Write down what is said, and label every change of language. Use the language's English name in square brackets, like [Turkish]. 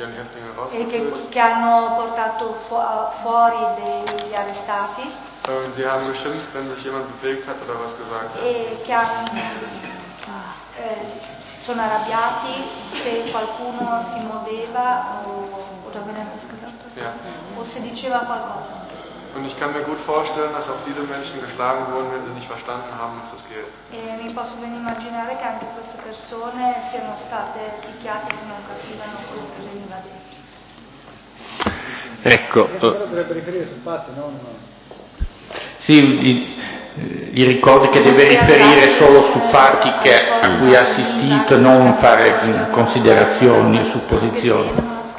[Italian] Che hanno portato fuori degli arrestati. [German] Sie haben bestimmt, wenn sich jemand bewegt hat oder was gesagt hat. [Italian] E che hanno sono arrabbiati se qualcuno si muoveva o se diceva qualcosa. [German] Und ich kann mir gut vorstellen, dass auch diese Menschen geschlagen wurden, wenn sie nicht verstanden haben, was es geht. [Italian] Mi posso ben immaginare che anche queste persone siano state picchiate se non capivano quello che veniva detto. Ecco. Dovrebbe riferire sul fatto, non. Sì, gli ricordi che deve riferire solo su fatti che, a cui ha assistito, non fare considerazioni e supposizioni.